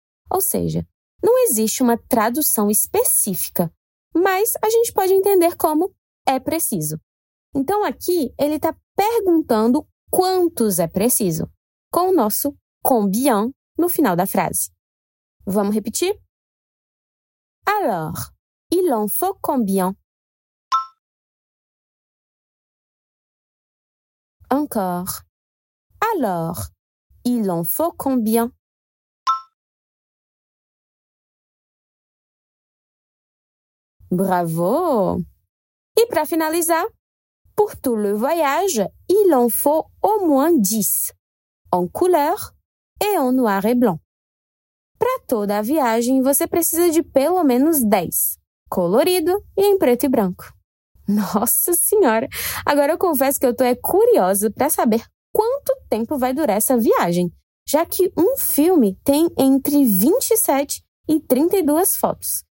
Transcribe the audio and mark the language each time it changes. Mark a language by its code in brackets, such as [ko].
[pt] Ou seja, não existe uma tradução específica, mas a gente pode entender como é preciso. Então, aqui, ele está perguntando quantos é preciso, com o nosso combien no final da frase. Vamos repetir? [fr] Alors, il en faut combien? Encore. Alors, il en faut combien? Bravo! [pt] E para finalizar, [fr] pour tout le voyage, il en faut au moins 10, en couleur et en noir et blanc. [pt] Para toda a viagem, você precisa de pelo menos 10, colorido e em preto e branco. Nossa Senhora! Agora eu confesso que eu estou curiosa para saber quanto tempo vai durar essa viagem, já que um filme tem entre 27 e 32 fotos.